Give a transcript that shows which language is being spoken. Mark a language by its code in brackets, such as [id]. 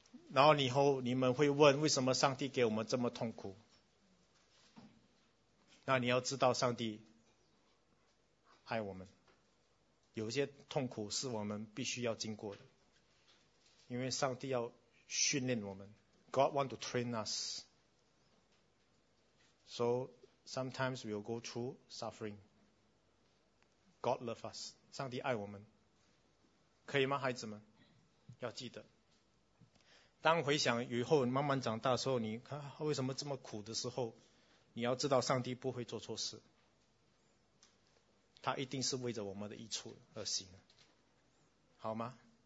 [zh] 然后以后你们会问，为什么上帝给我们这么痛苦？那你要知道，上帝爱我们，有些痛苦是我们必须要经过的，因为上帝要训练我们。 [en] God want to train us. So sometimes we'll go through suffering. God love us. [zh] 上帝爱我们，可以吗？孩子们要记得，当回想以后慢慢长大的时候，你看为什么这么苦的时候，你要知道上帝不会做错事，他一定是为着我们的益处而行，好吗？